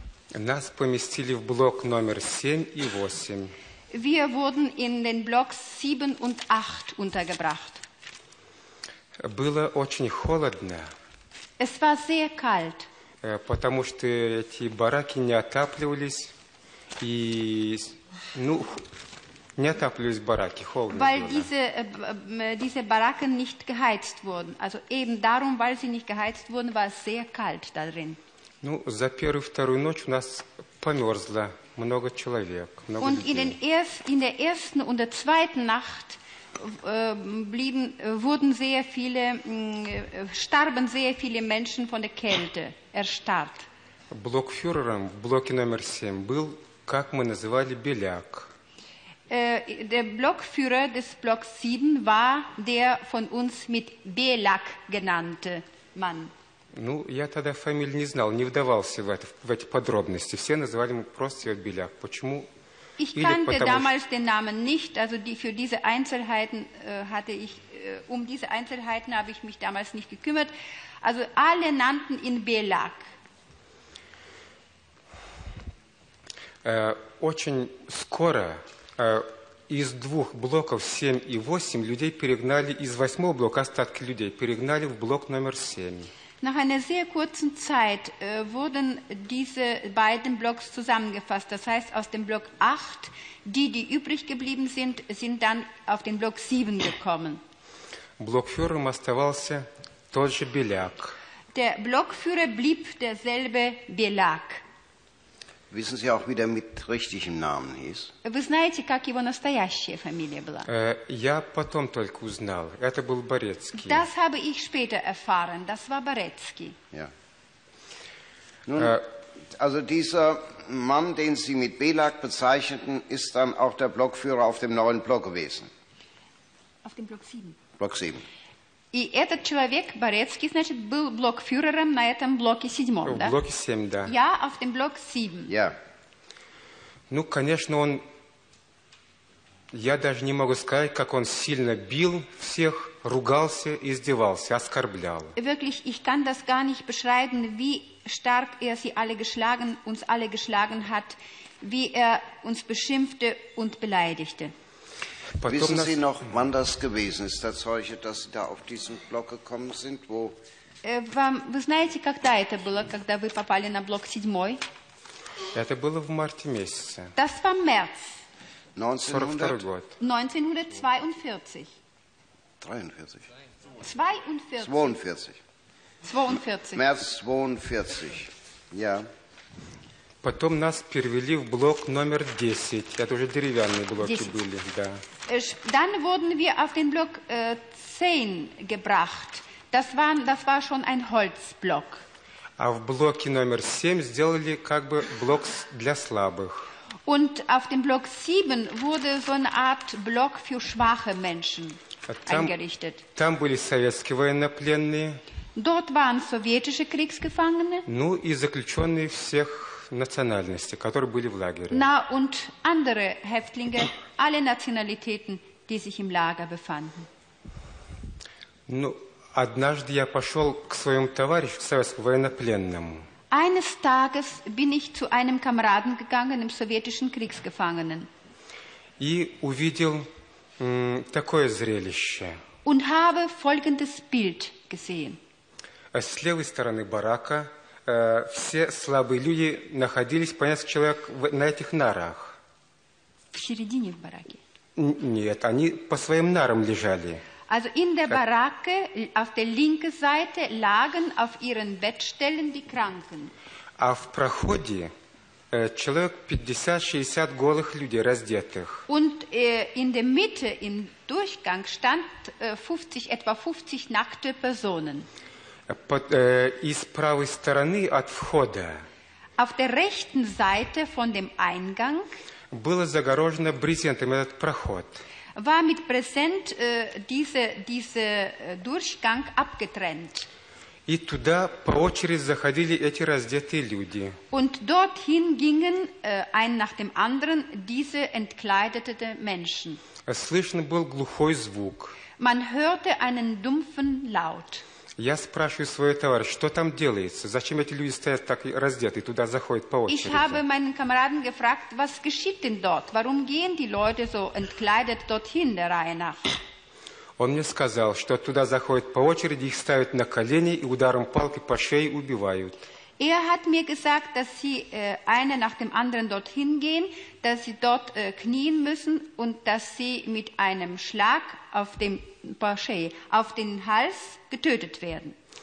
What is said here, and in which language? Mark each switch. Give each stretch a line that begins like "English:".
Russian: Нас поместили в блок номер 7 и 8.
German: Wir wurden in den Blocks 7 und 8 untergebracht.
Russian: Было очень холодно.
German: Es war sehr kalt.
Russian: Потому что эти бараки не отапливались, и, ну, не отапливались бараки, холодно.
German: Weil diese Baracken nicht geheizt wurden. Also eben darum, weil sie nicht geheizt wurden, war es sehr kalt da drin.
Russian: Ну, за первую и вторую ночь у нас померзло. Много человек, много
German: und
Russian: людей.
German: In der ersten und der zweiten Nacht wurden sehr viele, starben sehr viele Menschen von der Kälte, erstarrt.
Russian: Блокфюрером в блоке номер 7 был, как мы называли, беляк.
German: Der Blockführer des Blocks 7 war der von uns mit Belak genannte Mann.
Russian: Ну, я тогда фамилии не знал, не вдавался в эти подробности. Все называли его просто Беляк. Почему?
German: Ich kannte damals den Namen nicht, also für diese Einzelheiten hatte ich, um diese Einzelheiten habe ich mich damals nicht gekümmert. Also alle nannten ihn Belak.
Russian: Очень скоро из двух блоков 7 и 8 людей перегнали, из восьмого блока остатки людей перегнали в блок номер 7.
German: Nach einer sehr kurzen Zeit wurden diese beiden Blocks zusammengefasst. Das heißt, aus dem Block 8, die übrig geblieben sind, sind dann auf den Block 7 gekommen.
Russian: Блокфюрером оставался тот же Беляк.
German: Der Blockführer blieb derselbe Беляк. Wissen Sie auch, wie der mit richtigem Namen hieß?
Russian: Вы знаете, как его настоящая фамилия была? Я потом только узнал. Это был Борецкий.
German: Das habe ich später erfahren. Das war Борецкий. Ja. Nun, also dieser Mann, den Sie mit Belak bezeichneten, ist dann auch der Blockführer auf dem neuen Block gewesen. Auf dem Block 7. Block 7.
Russian: И этот человек, Борецкий, значит, был блокфюрером на этом блоке седьмом, да? В блоке семь, да. Я в том блоке семь. Я. Ну, конечно, он... Я даже не могу сказать, как он сильно бил всех, ругался, издевался, оскорблял.
German: Wirklich, ich kann das gar nicht beschreiben, wie stark sie alle geschlagen, uns alle geschlagen hat, wie uns beschimpfte und beleidigte.
Russian: Потом
German: wissen Sie noch, wann das gewesen ist, der Zeuge, dass Sie da auf diesen Block gekommen sind, wo...
Russian: Вы знаете, когда это было, когда вы попали на блок седьмой? Это было в марте месяце.
German: Das war März. 1942. März 42. Ja.
Russian: Потом нас перевели в блок номер 10. Это уже деревянные блоки 10. Были, да.
German: Dann wurden wir auf den Block 10 gebracht. Das war schon ein Holzblock.
Russian: А в блоке номер 7 сделали как бы блок для слабых.
German: Und auf dem Block 7 wurde so eine Art Block für schwache Menschen eingerichtet.
Russian: Там были советские военнопленные.
German: Dort waren sowjetische Kriegsgefangene.
Russian: Ну и заключенные всех национальностей, которые были в лагере.
German: Na und andere Häftlinge, alle Nationalitäten, die sich im Lager befanden.
Russian: Ну, однажды я пошел к своему товарищу, к советскому военнопленному.
German: Eines Tages bin ich zu einem Kameraden gegangen, einem sowjetischen Kriegsgefangenen.
Russian: И увидел такое зрелище.
German: Und habe folgendes Bild gesehen.
Russian: С левой стороны барака все слабые люди находились, по несколько человек, на этих нарах. В середине в бараке? Нет, они по своим нарам лежали.
German: Also in der Baracke auf der linken Seite lagen auf ihren Bettstellen die Kranken.
Russian: А в проходе человек 50-60 голых людей, раздетых.
German: Und in der Mitte, im Durchgang, stand etwa 50 nackte Personen.
Russian: И с правой стороны от входа
German: auf der rechten Seite von dem Eingang
Russian: было загорожено брезентом этот проход.
German: War mit Präsent dieser Durchgang abgetrennt.
Russian: И туда по очереди заходили эти раздетые люди.
German: Und dorthin gingen ein nach dem anderen diese entkleideten Menschen.
Russian: Слышен был глухой звук.
German: Man hörte einen dumpfen Laut.
Russian: Я спрашиваю своего товарища, что там делается? Зачем эти люди стоят так раздетые, туда заходят по очереди?
German: Ich habe meinen Kameraden gefragt, was geschieht denn dort? Warum gehen die Leute so entkleidet dorthin, der Reihe nach?
Russian: Он мне сказал, что туда заходят по очереди, их ставят на колени и ударом палки по шее убивают.
German: Er hat mir gesagt, dass sie einer nach dem anderen dorthin gehen, dass sie dort knien müssen und dass sie mit einem Schlag auf den Hals getötet werden.